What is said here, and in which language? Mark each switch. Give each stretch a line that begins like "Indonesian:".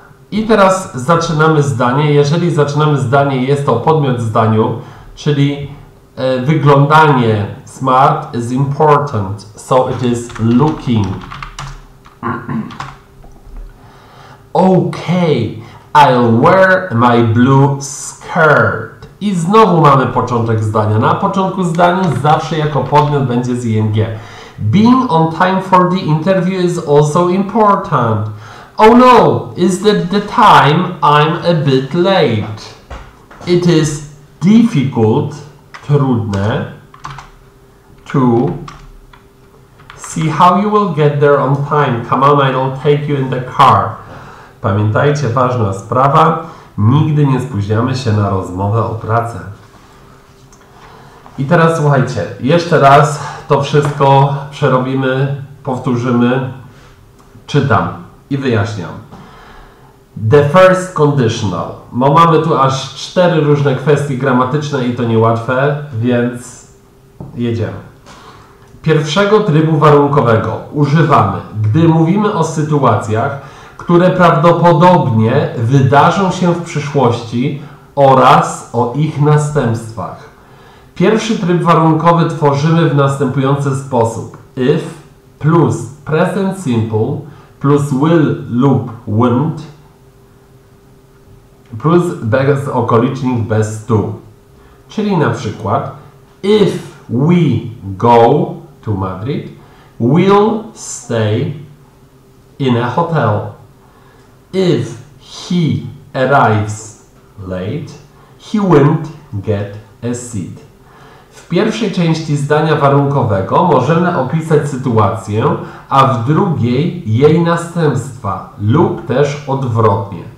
Polish: I teraz zaczynamy zdanie. Jeżeli zaczynamy zdanie, jest to podmiot zdaniu, czyli wyglądanie smart
English: is important, so it is looking. Okay. I'll wear my blue skirt.
Polish: I znowu mamy początek zdania. Na początku zdania zawsze jako podmiot będzie z ING.
English: Being on time for the interview is also important. Oh no, is that the time I'm a bit late? It is difficult, trudne, to see how you will get there on time. Come on, I don't take you in the car.
Polish: Pamiętajcie, ważna sprawa, nigdy nie spóźniamy się na rozmowę o pracę. I teraz słuchajcie, jeszcze raz to wszystko przerobimy, powtórzymy, czytam i wyjaśniam.
English: The first conditional,
Polish: bo mamy tu aż cztery różne kwestie gramatyczne i to niełatwe, więc jedziemy. Pierwszego trybu warunkowego używamy, gdy mówimy o sytuacjach, które prawdopodobnie wydarzą się w przyszłości oraz o ich następstwach. Pierwszy tryb warunkowy tworzymy w następujący sposób. If plus present simple plus will lub won't plus bez okolicznik bez to. Czyli na przykład
English: if we go to Madrid, we'll stay in a hotel. If he arrives late, he won't get a seat.
Polish: W pierwszej części zdania warunkowego możemy opisać sytuację, a w drugiej jej następstwa lub też odwrotnie.